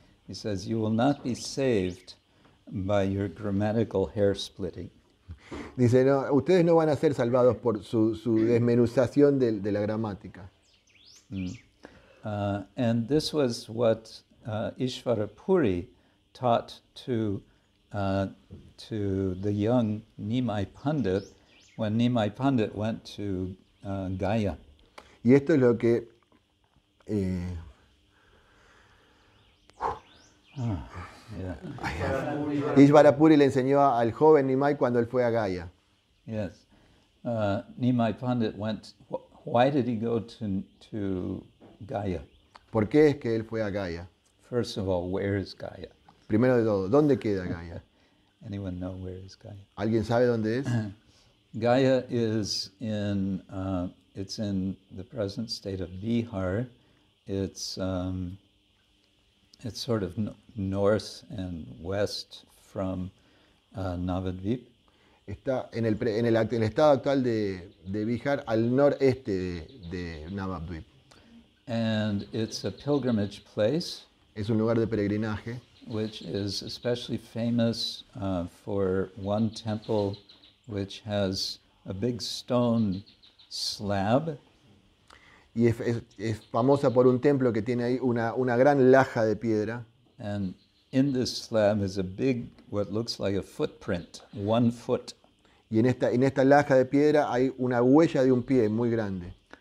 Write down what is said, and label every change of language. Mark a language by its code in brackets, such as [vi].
[en] He says, you will not be saved by your grammatical hair splitting. [es] Dice, no, ustedes no van a ser salvados por su desmenuzación de la gramática. [en] And this was what Ishvara Puri taught to the young Nimai Pandit when Nimai Pandit went to Gaya. [es] Y esto es lo que Ishvara Puri le enseñó al joven Nimai cuando él fue a Gaya. [en] Yes. Nimai Pandit went. Why did he go to Gaya? [es] ¿Por qué es que él fue a Gaya? [en] First of all, where is Gaya? [es] Primero de todo, ¿dónde queda Gaya? [en] Anyone know where is Gaya? [es] ¿Alguien sabe dónde es? [en] Gaya is in it's in the present state of Bihar. It's sort of north and west from Navadvip. [es] Está en el estado actual de Bihar, al noreste de Navadvip. [en] And it's a pilgrimage place. [es] Es un lugar de peregrinaje. [en] Which is especially famous for one temple which has a big stone slab. [es] Y es famosa por un templo que tiene ahí una gran laja de piedra. [en] And in this slab is a big, what looks like a footprint, one foot. [es] Y en esta laja de piedra hay una huella de un pie muy grande.